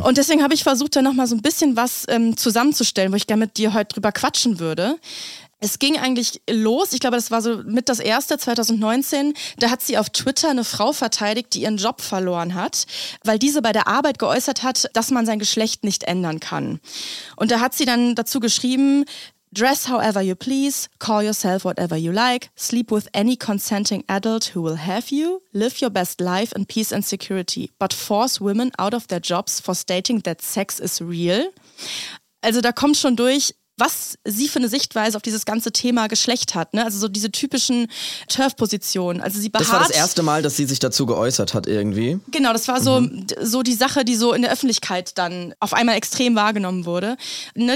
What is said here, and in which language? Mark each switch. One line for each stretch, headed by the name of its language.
German: Und deswegen habe ich versucht, da nochmal so ein bisschen was zusammenzustellen, wo ich gerne mit dir heute drüber quatschen würde. Es ging eigentlich los, ich glaube, das war so mit das erste, 2019, da hat sie auf Twitter eine Frau verteidigt, die ihren Job verloren hat, weil diese bei der Arbeit geäußert hat, dass man sein Geschlecht nicht ändern kann. Und da hat sie dann dazu geschrieben:
English: Dress however you please, call yourself whatever you like, sleep with any consenting adult who will have you, live your best life in peace and security, but force women out of their jobs for stating that sex is real.
German: Also da kommt schon durch, was sie für eine Sichtweise auf dieses ganze Thema Geschlecht hat, ne? Also so diese typischen Turf-Positionen. Also sie beharrt. Das war das erste Mal, dass sie sich dazu geäußert hat irgendwie. Genau, das war so, so die Sache, die so in der Öffentlichkeit dann auf einmal extrem wahrgenommen wurde. Ne?